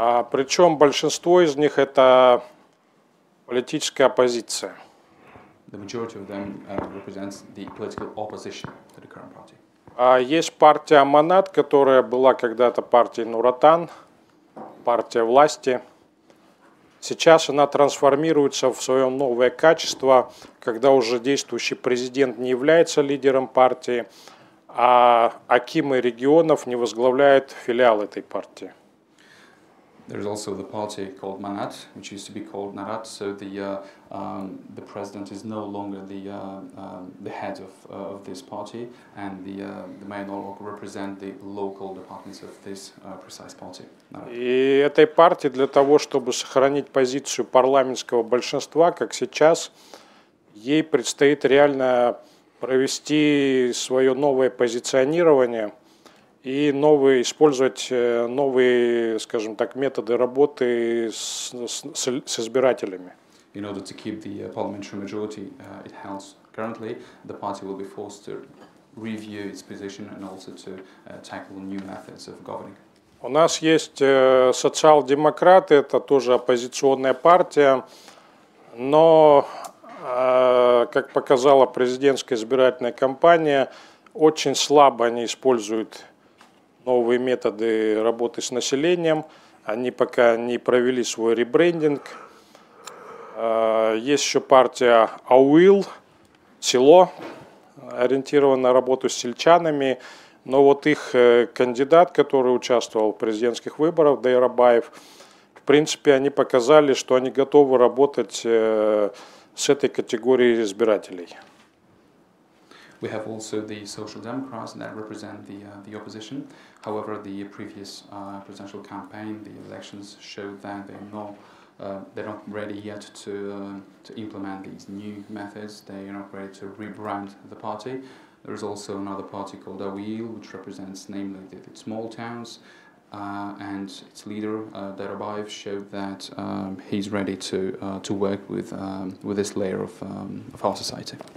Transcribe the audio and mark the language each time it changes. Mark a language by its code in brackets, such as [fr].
[ru] Причем большинство из них это политическая оппозиция. [en] The majority of them represents the political opposition to the current party. [ru] Есть партия Манат, которая была когда-то партией Нуратан, партия власти. Сейчас она трансформируется в свое новое качество, когда уже действующий президент не является лидером партии, а акимы регионов не возглавляют филиал этой партии. [en] There is also the party called Manat, which used to be called Narat. So the president is no longer the head of this party, and the main org represent the local departments of this precise party. Narat. [ru] И этой партии для того, чтобы сохранить позицию парламентского большинства, как сейчас, ей предстоит реально провести свое новое позиционирование. И новые, использовать новые, скажем так, методы работы с избирателями. [en] In order to keep the parliamentary majority it has currently, the party will be forced to review its position and also to tackle new methods of governing. [ru] У нас есть социал-демократы, это тоже оппозиционная партия, но, как показала президентская избирательная кампания, очень слабо они используют новые методы работы с населением. Они пока не провели свой ребрендинг. Есть еще партия АУИЛ, село, ориентированная на работу с сельчанами. Но вот их кандидат, который участвовал в президентских выборах, Дайрабаев, в принципе, они показали, что они готовы работать с этой категорией избирателей. [en] We have also the Social Democrats that represent the opposition. However, the previous presidential campaign, the elections showed that they're not ready yet to implement these new methods. They are not ready to rebrand the party. There is also another party called AUIL, which represents namely the small towns, and its leader Darabayev showed that he's ready to work with this layer of our society.